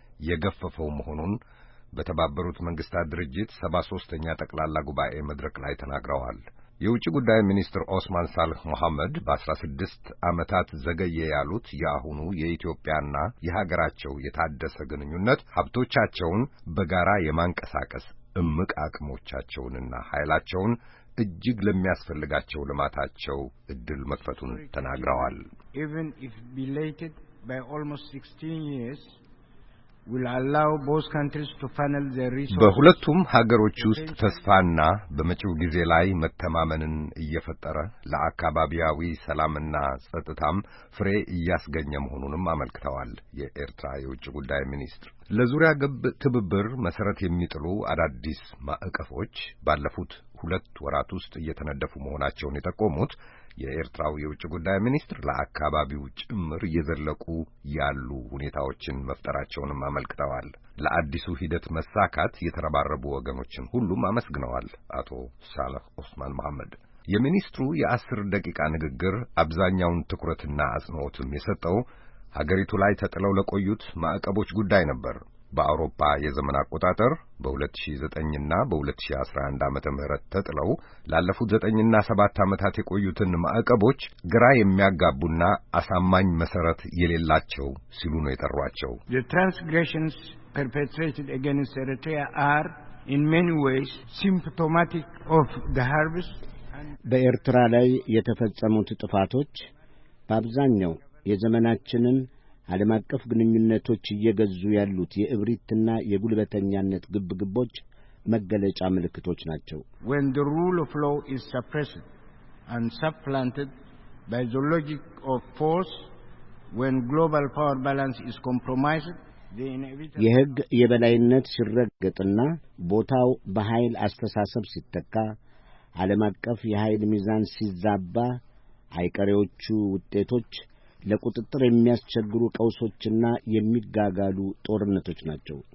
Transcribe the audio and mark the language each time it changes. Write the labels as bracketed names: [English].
[Amharic] የገፈፈው መሆኑን በተባበሩት መንግስታት ድርጅት 73ኛ ጠቅላላ ጉባኤ መድረክ ላይ ተናግረዋል። የውጭ ጉዳይ ሚኒስትር ኦስማን ሳልህ መሐመድ በ16 ዓመታት ዘገየ ያሉት የአሁኑ የኢትዮጵያና የሀገራቸው የታደሰ ግንኙነት ሀብቶቻቸውን በጋራ የማንቀሳቀስ እምቅ አቅሞቻቸውንና ኃይላቸውን እጅግ ለሚያስፈልጋቸው ልማታቸው እድል መክፈቱን ተናግረዋል። [English] Even if belated by almost 16 years will allow both countries to funnel their resources. [Amharic] በሁለቱም ሀገሮች ውስጥ ተስፋና በመጪው ጊዜ ላይ መተማመንን እየፈጠረ ለአካባቢያዊ ሰላምና ጸጥታም ፍሬ እያስገኘ መሆኑንም አመልክተዋል። የኤርትራ የውጭ ጉዳይ ሚኒስትር ለዙሪያ ገብ ትብብር መሰረት የሚጥሉ አዳዲስ ማዕቀፎች ባለፉት 2 ወራት ውስጥ እየተነደፉ መሆናቸውን የተቆሙት የኤርትራው የውጭ ጉዳይ ሚኒስትር ለአካባቢው ጭምር እየዘለቁ ያሉ ሁኔታዎችን መፍጠራቸውንም አመልክተዋል። ለአዲሱ ሂደት መሳካት የተረባረቡ ወገኖችን ሁሉም አመስግነዋል። አቶ ሳልህ ኡስማን መሐመድ የሚኒስትሩ የ10 ደቂቃ ንግግር አብዛኛውን ትኩረትና አጽንኦትም የሰጠው ሀገሪቱ ላይ ተጥለው ለቆዩት ማዕቀቦች ጉዳይ ነበር። በአውሮፓ የዘመን አቆጣጠር በ2009 እና በ2011 ዓመተ ምህረት ተጥለው ላለፉት 9 እና 7 ዓመታት የቆዩትን ማዕቀቦች ግራ የሚያጋቡና አሳማኝ መሰረት የሌላቸው ሲሉ ነው የጠሯቸው። [English] The transgressions perpetrated against Eritrea are in many ways symptomatic of the harvest. [Amharic] በኤርትራ ላይ የተፈጸሙት ጥፋቶች በአብዛኛው የዘመናችንን ዓለም አቀፍ ግንኙነቶች እየገዙ ያሉት የእብሪትና የጉልበተኛነት ግብግቦች መገለጫ ምልክቶች ናቸው። [English] When the rule of law is suppressed and supplanted by the logic of force, when global power balance is compromised, the inevitable [Amharic] የሕግ የበላይነት ሲረገጥና ቦታው በኃይል አስተሳሰብ ሲተካ ዓለም አቀፍ የኃይል ሚዛን ሲዛባ አይቀሬዎቹ ውጤቶች ለቁጥጥር የሚያስቸግሩ ቀውሶችና የሚጋጋሉ ጦርነቶች ናቸው።